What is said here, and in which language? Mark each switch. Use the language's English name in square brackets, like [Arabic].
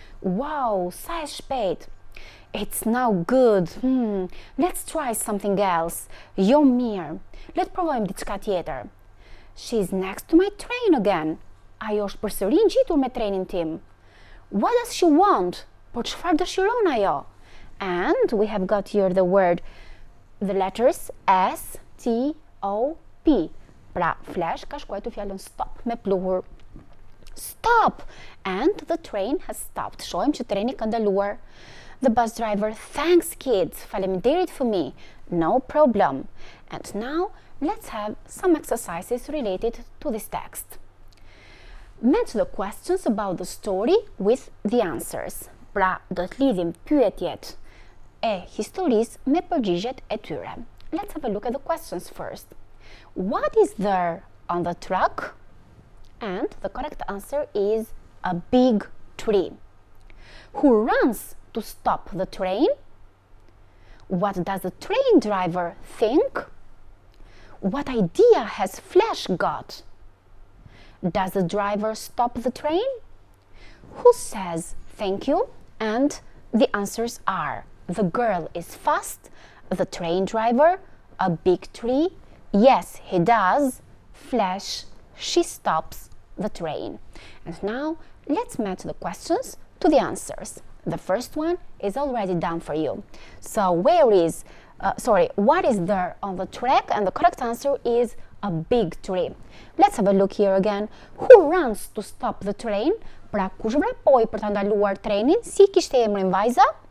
[Albanian] Wow, sa e shpejt. [English] It's now good. Let's try something else. [Albanian] Jo mirë. Le të provojmë diçka tjetër. [English] She's next to my train again. [Albanian] Ajo është përsëri ngjitur me trenin tim. [English] What does she want? [Albanian] Por çfarë dëshiron ajo? [English] And we have got here the word, the letters S T O P. [Albanian] Pra, Flash ka shkruar fjalën stop me pluhur. Stop! [English] And the train has stopped. [Albanian] Shohim që treni ka ndaluar. [English] The bus driver, thanks kids, faleminderit for me. No problem. And now, let's have some exercises related to this text. Match the questions about the story with the answers. Pra, do të lidhim pyetjet e historisë me përgjigjet e tyre. Let's have a look at the questions first. What is there on the truck? And the correct answer is a big tree. Who runs to stop the train? What does the train driver think? What idea has Flash got? Does the driver stop the train? Who says thank you? And the answers are the girl is fast, the train driver, a big tree, yes, he does, Flash, she stops the train. And now, let's match the questions to the answers. The first one is already done for you. So, what is there on the track? And the correct answer is a big tree. Let's have a look here again. Who runs to stop the train? [Albanian] Pra, kush vrapoi për të ndaluar trenin, si kishte emrin vajza?